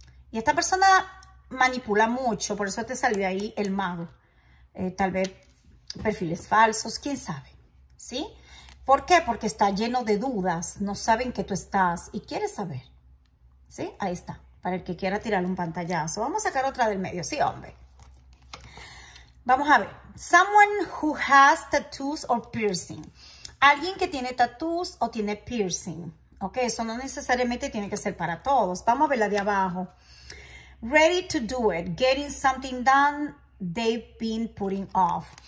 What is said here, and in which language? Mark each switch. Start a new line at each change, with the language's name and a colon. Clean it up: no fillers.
Spanish: Y esta persona manipula mucho, por eso te salió ahí el mago. Tal vez perfiles falsos, quién sabe, ¿sí? ¿Por qué? Porque está lleno de dudas, no saben que tú estás y quieres saber, ¿sí? Ahí está, para el que quiera tirar un pantallazo. Vamos a sacar otra del medio, sí, hombre. Vamos a ver.
English: Someone who has tattoos or piercing.
Spanish: Alguien que tiene tattoos o tiene piercing, ¿ok? Eso no necesariamente tiene que ser para todos. Vamos a ver la de abajo.
English: Ready to do it, getting something done, they've been putting off.